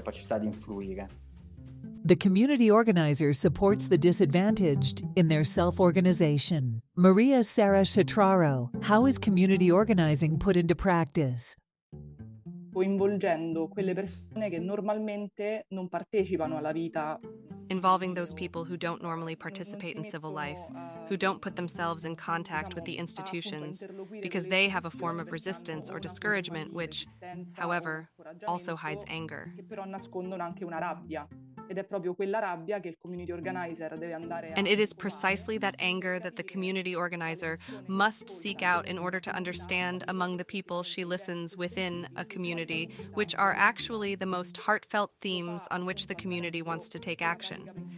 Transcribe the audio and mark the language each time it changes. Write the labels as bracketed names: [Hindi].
[English] The community organizer supports the disadvantaged in their self-organization. Maria Sara Chitraro, how is community organizing put into practice? [Italian] Coinvolgendo quelle persone che normalmente non partecipano alla vita. [English] Involving those people who don't normally participate in civil life, who don't put themselves in contact with the institutions, because they have a form of resistance or discouragement which, however, also hides anger. [Italian] Che però nascondono anche una rabbia. Ed è proprio quella rabbia che il community organizer deve andare [English] a... And it is precisely that anger that the community organizer must seek out in order to understand among the people she listens within a community, which are actually the most heartfelt themes on which the community wants to take action.